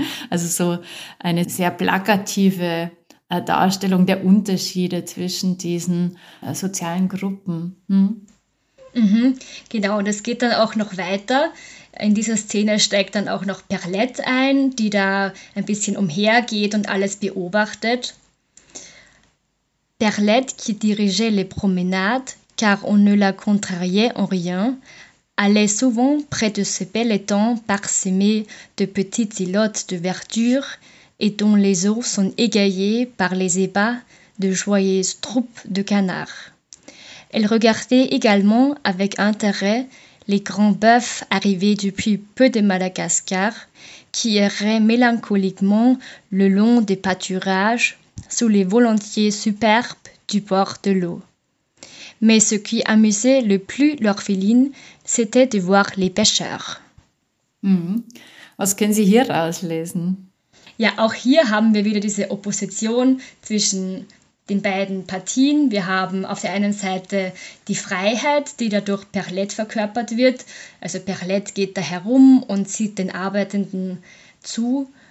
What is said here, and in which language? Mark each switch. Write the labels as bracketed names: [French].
[German] Also so eine sehr plakative Darstellung der Unterschiede zwischen diesen sozialen Gruppen. Genau, und es geht dann auch noch weiter. In dieser Szene steigt dann auch noch Perlette ein, die da ein bisschen umhergeht und alles beobachtet. [French] Perlette qui dirigeait les promenades, car on ne la contrariait en rien, allait souvent près de ce bel étang parsemé de petites îlots de verdure et dont les eaux sont égayées par les ébats de joyeuses troupes de canards. Elle regardait également avec intérêt les grands bœufs arrivés depuis peu de Madagascar, qui erraient mélancoliquement le long des pâturages sous les volontiers superbes du bord de l'eau. Mais ce qui amusait le plus l'orpheline, c'était de voir les pêcheurs. [German] Was können Sie hier rauslesen? Ja, auch hier haben wir wieder diese Opposition zwischen den beiden Partien. Wir haben auf der einen Seite die Freiheit, die dadurch Perlette verkörpert wird. Also Perlette geht da herum und sieht den Arbeitenden zu.